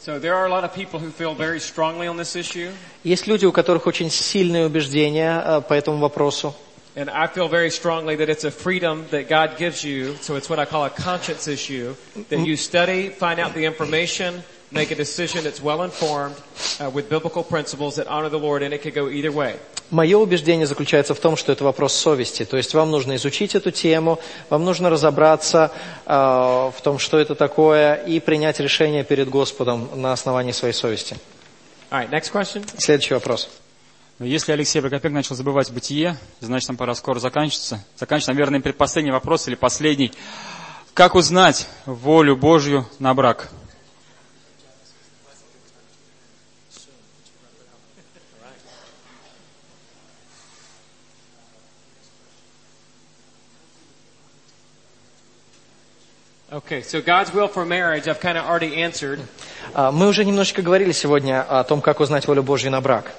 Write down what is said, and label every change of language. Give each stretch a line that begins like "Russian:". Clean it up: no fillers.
English: So there are a lot of people who feel very strongly on this issue.
Russian: Есть люди, у которых очень сильные убеждения по этому вопросу.
English: And I feel very strongly that it's a freedom that God gives you, so it's what I call a conscience issue, that you study, find out the information, make a decision that's well-informed, with biblical principles that honor the Lord, and it could go either way.
Russian: Мое убеждение заключается в том, что это вопрос совести. То есть вам нужно изучить эту тему, вам нужно разобраться в том, что это такое, и принять решение перед Господом на основании своей совести.
English: All right, next question.
Russian: Следующий вопрос. Если Алексей Прокопенко начал забывать бытие, значит, нам пора скоро заканчивать. Наверное, предпоследний вопрос или последний. Как узнать волю Божью на брак?
English: Okay, so God's will for marriage, I've kind of already answered.
Russian: Мы уже немножечко говорили сегодня о том, как узнать волю Божью на брак.